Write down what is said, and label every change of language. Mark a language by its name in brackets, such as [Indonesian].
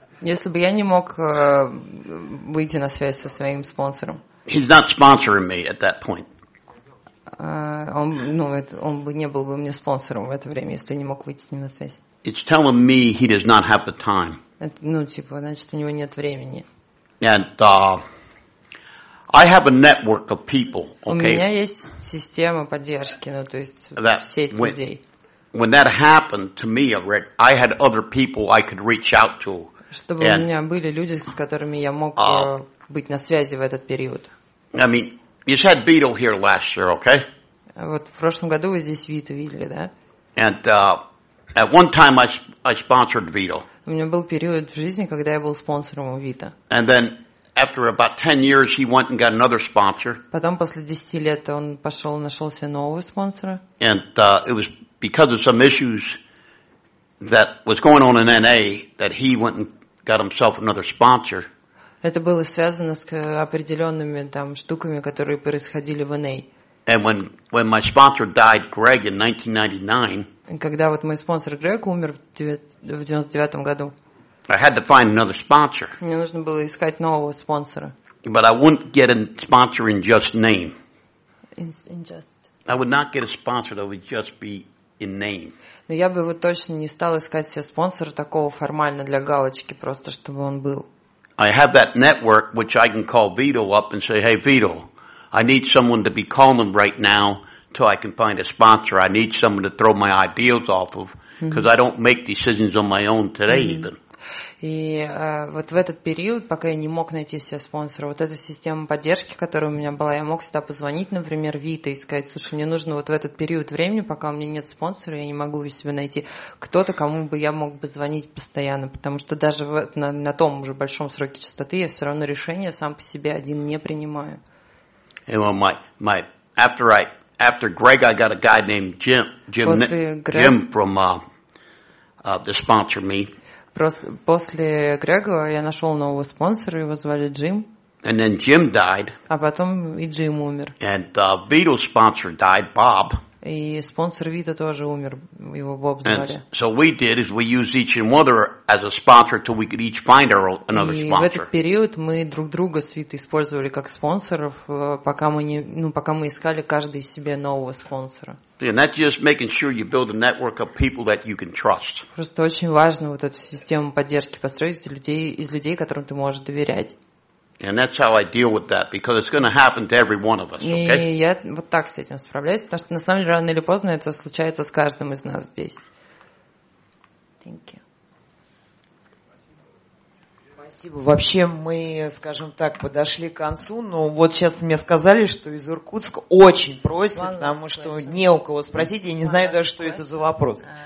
[Russian] если бы я не мог выйти на связь со своим спонсором, [English] he's not sponsoring me at that point. [Russian] Он бы не был бы мне спонсором в это время, если не мог выйти с ним на связь. [English] It's telling me he does not have the time. [Russian] Значит, у него нет времени. [English] And I have a network of people. Okay. [Russian] У меня есть система поддержки, сеть людей. [English] When that happened to me, already, I had other people I could reach out to. [Russian] Чтобы у меня были люди, с которыми я мог быть на связи в этот период. [English] I mean, you had Beetle here last year, okay? [Russian] Вот в прошлом году вы здесь Виту видели, да? [English] And at one time I sponsored Beetle. [Russian] У меня был период в жизни, когда я был спонсором у Вита. [English] And then after about 10 years, he went and got another sponsor. [Russian] Потом после 10 лет он пошел и нашел себе нового спонсора. [English] And it was because of some issues that was going on in NA that he went and got himself another sponsor. [Russian] Это было связано с определенными там штуками, которые происходили в NA. [English] And when my sponsor died, Greg, in 1999. [Russian] Когда вот мой спонсор Грег умер в 99 году. [English] I had to find another sponsor. Мне нужно было искать нового спонсора. But I wouldn't get a sponsor in just name. In just. I would not get a sponsor that would just be in name. [Russian] Но я бы вот точно не стал искать себе спонсора такого формально для галочки, просто чтобы он был. [English] I have that network which I can call Vito up and say, "Hey Vito, I need someone to be calling right now till I can find a sponsor. I need someone to throw my ideas off of because I don't make decisions on my own today even." [Russian] И вот в этот период, пока я не мог найти себе спонсора, вот эта система поддержки, которая у меня была, я мог всегда позвонить, например, Вита и сказать, слушай, мне нужно вот в этот период времени, пока у меня нет спонсора, я не могу себе найти кто-то, кому бы я мог бы звонить постоянно, потому что даже на том уже большом сроке частоты я все равно решение сам по себе один не принимаю. И вот [English] my after Greg, I got a guy named Jim from to sponsor me. [Russian] После Грега я нашел нового спонсора, его звали Джим. [English] And then Jim died. [Russian] А потом и Джим умер. [English] And Beatles sponsor died, Bob. [Russian] И спонсор Вита тоже умер, его Боб звали. [English] And so we did is we used each other as a sponsor till we could each find our another sponsor. [Russian] И в этот период мы друг друга с Витой использовали как спонсоров, пока мы искали каждый себе нового спонсора. [English] And that's just making sure you build a network of people that you can trust. [Russian] Просто очень важно вот эту систему поддержки построить из людей, которым ты можешь доверять. [English] And that's how I deal with that, because it's going to happen to every one of us, okay? [Russian] И я вот так с этим справляюсь, потому что на самом деле рано или поздно это случается с каждым из нас здесь. [English] Thank you. [Russian] Спасибо. Вообще мы, скажем так, подошли к концу, но вот сейчас мне сказали, что из Иркутска очень просят, потому что не у кого спросить, я не знаю даже, что это за вопрос.